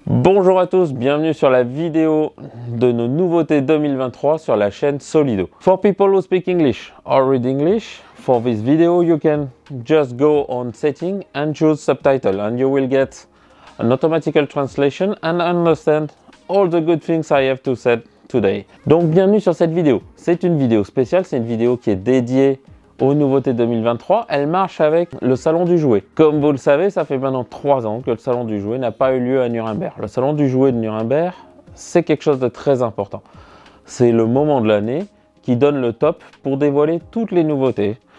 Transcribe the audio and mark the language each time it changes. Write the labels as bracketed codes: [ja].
[fr] Bonjour à tous, bienvenue sur la vidéo de nos nouveautés 2023 sur la chaîne Solido. [en] For people who speak English or read English, for this video you can just go on setting and choose subtitle and you will get an automatical translation and understand all the good things I have to say today. [fr] Donc bienvenue sur cette vidéo. C'est une vidéo spéciale, c'est une vidéo qui est dédiée aux nouveautés 2023, elle marche avec le Salon du Jouet. Comme vous le savez, ça fait maintenant 3 ans que le Salon du Jouet n'a pas eu lieu à Nuremberg. Le Salon du Jouet de Nuremberg, c'est quelque chose de très important. C'est le moment de l'année qui donne le top pour dévoiler toutes les nouveautés.